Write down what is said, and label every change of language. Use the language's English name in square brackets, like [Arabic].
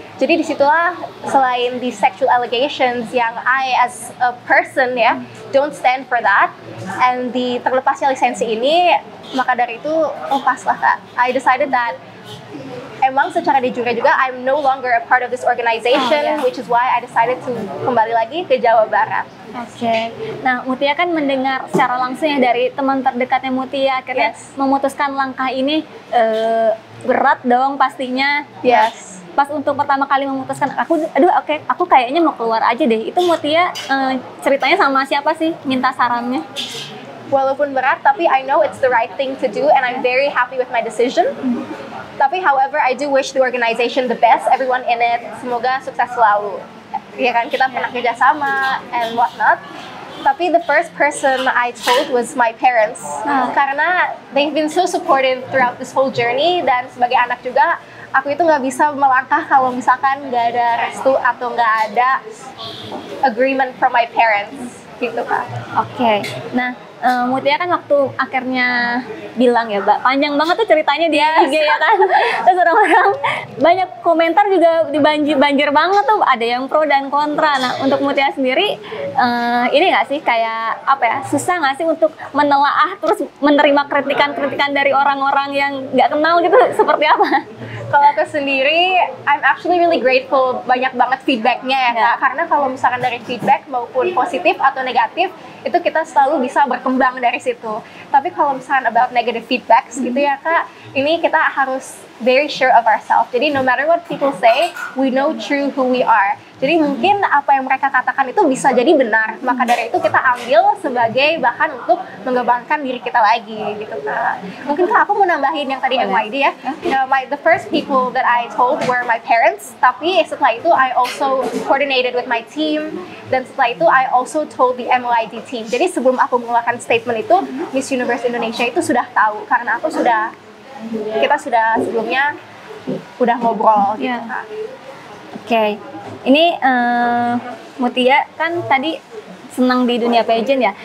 [Indonesian] Jadi disitulah selain [English] the sexual allegations [Indonesian] yang [English] I as a person [Indonesian] ya [English] don't stand for that and the [Indonesian] terlepasnya lisensi ini, maka dari itu lepaslah kak. [English] I decided that [Indonesian] emang secara de jure juga [English] I'm no longer a part of this organization, which is why I decided to [Indonesian] kembali lagi ke Jawa Barat. Oke. Okay. Nah, Mutia kan mendengar secara langsung ya dari teman terdekatnya Mutia akhirnya memutuskan langkah ini, berat dong pastinya. [English] Yes. [Indonesian] Pas untuk pertama kali memutuskan aku, aduh oke, okay, aku kayaknya mau keluar aja deh. Itu Mutia ceritanya sama siapa sih? Minta sarannya. Walaupun berat, tapi [English] I know it's the right thing to do and I'm very happy with my decision. [Indonesian] Tapi [English] however, I do wish the organization the best, everyone in it. [Indonesian] Semoga sukses selalu. Ya kan, kita pernah kerja sama [English] and what not. [Indonesian] Tapi [English] the first person I told was my parents. [Indonesian] Karena [English] they've been so supportive throughout this whole journey. [Indonesian] Dan sebagai anak juga, aku itu gak bisa melangkah kalau misalkan gak ada restu atau gak ada [English] agreement from my parents. [Indonesian] Gitu kak. Oke. Okay. Nah, Mutia kan waktu akhirnya bilang ya, Mbak, panjang banget tuh ceritanya di IG ya kan. Terus orang-orang banyak komentar juga dibanjir banget tuh, ada yang pro dan kontra. Nah, untuk Mutia sendiri ini enggak sih kayak apa ya? Susah enggak sih untuk menelaah terus menerima kritikan-kritikan dari orang-orang yang enggak kenal gitu seperti apa? Kalau aku sendiri, [English] I'm actually really grateful [Indonesian] banyak banget feedbacknya ya, Kak. Karena kalau misalkan dari feedback maupun positif atau negatif, itu kita selalu bisa berkembang dari situ. Tapi kalau misalkan [English] about negative feedbacks [Indonesian] gitu ya, Kak, ini kita harus [English] very sure of ourselves. [Indonesian] Jadi [English] no matter what people say, we know true who we are. [Indonesian] Jadi mungkin apa yang mereka katakan itu bisa jadi benar. Maka dari itu kita ambil sebagai bahan untuk mengembangkan diri kita lagi gitu kak. Mungkin kak aku mau nambahin yang tadi MYD ya. [English] The first people that I told were my parents. [Indonesian] Tapi setelah itu [English] I also coordinated with my team. [Indonesian] Dan setelah itu [English] I also told the MYD team. [Indonesian] Jadi sebelum aku mengeluarkan statement itu, Miss Universe Indonesia itu sudah tahu. Karena aku sudah, kita sudah sebelumnya udah ngobrol gitu kak. Oke. Okay. Ini Mutia kan tadi senang di dunia pageant ya.